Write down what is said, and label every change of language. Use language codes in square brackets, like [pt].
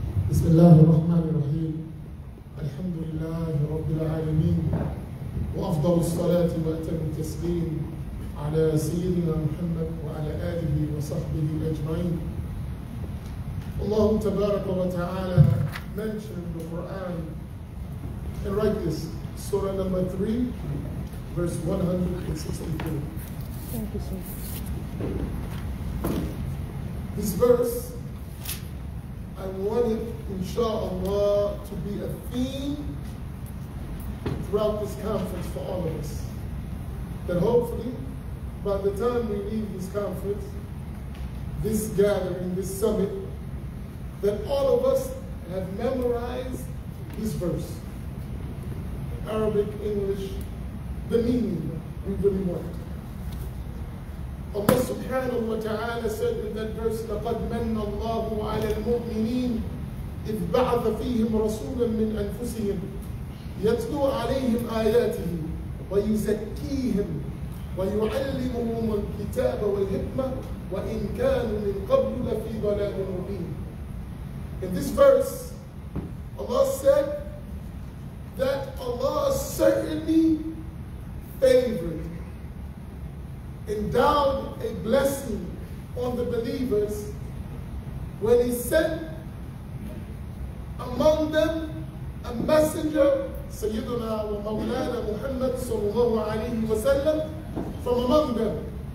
[ar] بسم الله الرحمن الرحيم الحمد لله رب العالمين وأفضل الصلاة وأتم التسليم على سيدنا محمد وعلى آله وصحبه أجمعين. الله تبارك وتعالى [en] mention the Quran and write this Surah number 3 verse 163. Thank you, sir. This verse, I want it, inshallah, to be a theme throughout this conference for all of us. That hopefully, by the time we leave this conference, this gathering, this summit, that all of us have memorized this verse. Arabic, English, the meaning we really want. Allah subhanahu wa ta'ala said in that verse, [ar] لَقَدْ مَنَّ اللَّهُ عَلَى الْمُؤْمِنِينَ إِذْ بَعَثَ فِيهِمْ رَسُولًا مِّنْ أَنفُسِهِمْ يَتْلُو عَلَيْهِمْ آيَاتِهِ وَيُزَكِّيهِمْ وَيُعَلِّمُهُمُ الْكِتَابَ وَالْحِكْمَةَ وَإِنْ كَانُوا مِنْ قَبْلُ لَفِي ضَلَالٍ مُبِينٍ. [en] In this verse, Allah said that Allah certainly favored, endowed a blessing on the believers when he sent among them a messenger, Sayyiduna wa Mawlana Muhammad sallallahu alayhi wa sallam, from among them.